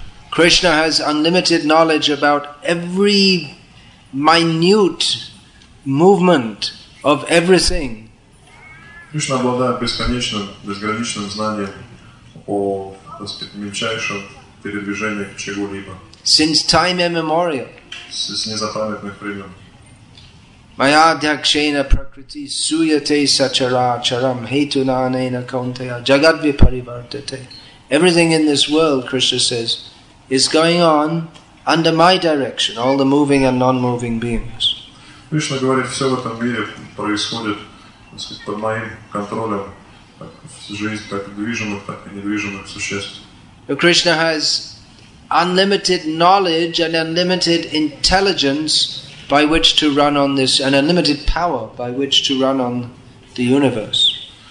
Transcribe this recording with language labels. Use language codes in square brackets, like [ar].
[en] Krishna has unlimited knowledge about every minute movement of everything. [ru] Krishna обладает безграничным знанием о мельчайшем передвижении чего-либо. [en] Since time immemorial. [ru] С незапамятных времен. [sa] Maya dhyakshena prakriti suyate sachara charam hetuna anena kaunteya jagat viparivartate. [en] Everything in this world, Krishna says, is going on under my direction, all the moving and non-moving beings. [ru] Krishna говорит, все в этом мире происходит под моим контролем, как движимых, так и недвижимых существ. [en] Krishna has unlimited knowledge and unlimited intelligence by which to run on this, and unlimited power by which to run on the universe.